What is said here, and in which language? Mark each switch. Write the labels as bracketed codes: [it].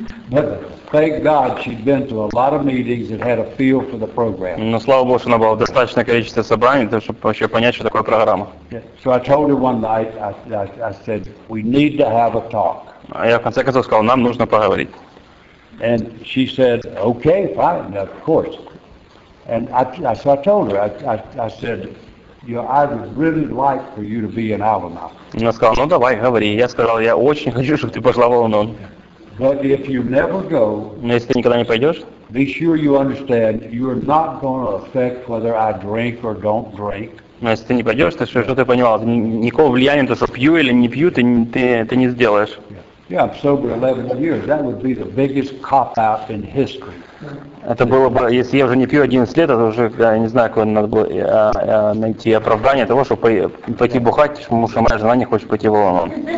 [en] But thank God she'd been to a lot of meetings and had a feel for the program. [ru] Но слава Богу, что она была в достаточное количество собраний, чтобы вообще понять, что такое программа. [en] So I told her one night, I said, we need to have a talk. [ru] А я в конце концов сказал, нам нужно поговорить. [en] And she said, okay, fine, of course. And so I told her, I said, you know, I would really like for you to be in Al-Anon. [ru] Она сказала, ну давай, говори. Я сказал, я очень хочу, чтобы ты пошла в Al-Anon. [en] But if you never go, [ru] но если ты никогда не пойдешь, [en] be sure you understand, you're not going to affect whether I drink or don't drink. [ru] Но если ты не пойдешь, то что ты понимал, никакого влияния на то, что пью или не пью, ты не сделаешь. [en] Yeah, I'm sober 11 years. That would be the biggest cop-out in history. [ru] Это было бы, если я уже не пью 11 лет, это уже, я не знаю, какое надо было найти оправдание того, чтобы пойти бухать, потому что моя жена не хочет пойти в Лондон.